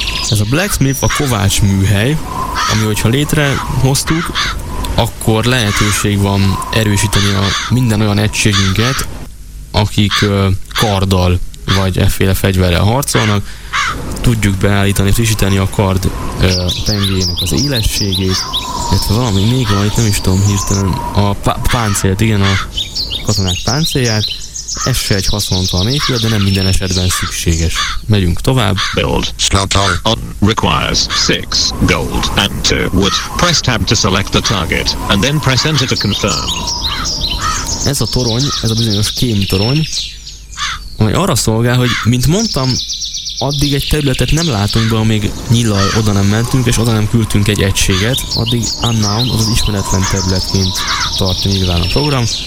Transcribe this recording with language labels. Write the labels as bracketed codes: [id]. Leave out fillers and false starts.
[hu] Ez a blacksmith a kovács műhely, ami hogyha létrehoztuk, akkor lehetőség van erősíteni a minden olyan egységünket, akik karddal vagy efféle fegyverrel harcolnak. Tudjuk beállítani, frissíteni a kard tengelyének az élességét, illetve valami még van, itt nem is tudom hirtelen, a páncélt, igen, a katonák páncélját. Ez se egy haszontalan épület, de nem minden esetben szükséges. Megyünk tovább. [en] Build snowtall on requires 6 gold and 2 wood. Press tab to select the target and then press enter to confirm. [hu] Ez a torony, ez a bizonyos kém torony, ami arra szolgál, hogy mint mondtam, addig egy területet nem látunk be, amíg nyillal oda nem mentünk és oda nem küldtünk egy egységet, addig unknown, az ismeretlen területként tart nyilván a program.